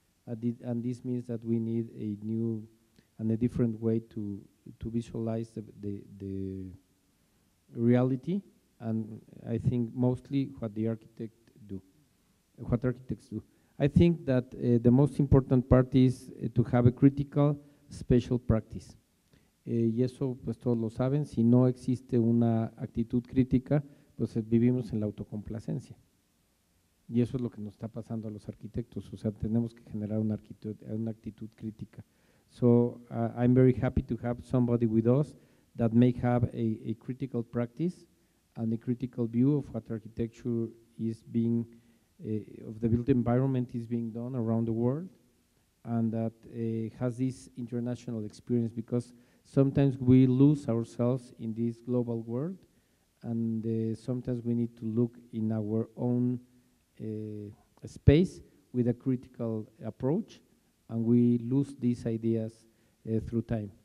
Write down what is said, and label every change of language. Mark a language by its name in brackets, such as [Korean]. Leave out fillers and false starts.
[English] And this means that we need a new and a different way to visualize the reality, and I think mostly what architects do. I think that the most important part is to have a critical spatial practice. [Spanish] Y eso pues todos lo saben, si no existe una actitud crítica, pues vivimos en la autocomplacencia. Y eso es lo que nos está pasando a los arquitectos, o sea, tenemos que generar una actitud crítica. [English] So I'm very happy to have somebody with us that may have a critical practice and a critical view of what architecture is being, of the built environment is being done around the world, and that has this international experience, because sometimes we lose ourselves in this global world, and sometimes we need to look in our own space with a critical approach, and we lose these ideas through time.